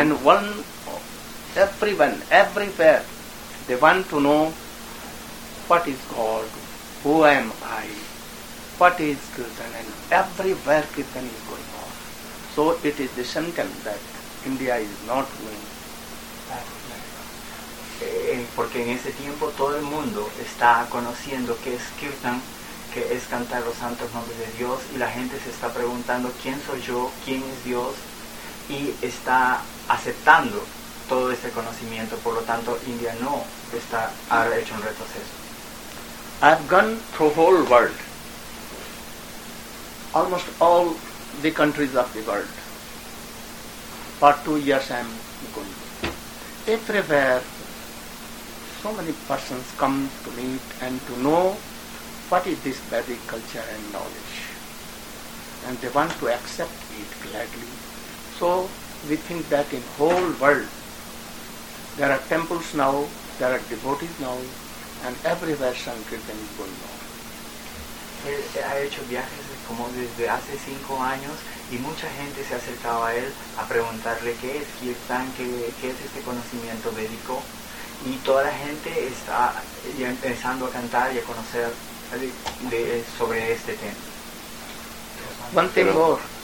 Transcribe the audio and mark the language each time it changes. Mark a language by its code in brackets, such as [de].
[en] And everywhere, they want to know what is God, who am I, what is Kirtan, and everywhere Kirtan is going on. So it is the symptom that India is not going. [es] Porque en ese tiempo todo el mundo está conociendo qué es Kirtan, que es cantar los santos nombres de Dios, y la gente se está preguntando quién soy yo, quién es Dios, y está aceptando todo este conocimiento. Por lo tanto, India no está, ha hecho un retroceso. [en] I've gone through the whole world, almost all the countries of the world. For 2 years I'm going. Everywhere, so many persons come to meet and to know what is this Vedic culture and knowledge? And they want to accept it gladly. So we think that in whole world there are temples now, there are devotees now, and everywhere Sankirtan is going on. [es] Él ha hecho viajes como desde hace 5 años y mucha gente se ha acercado a él a preguntarle qué es Kirtan, qué es este conocimiento védico, y toda la gente está ya empezando a cantar y a conocer sobre este tema.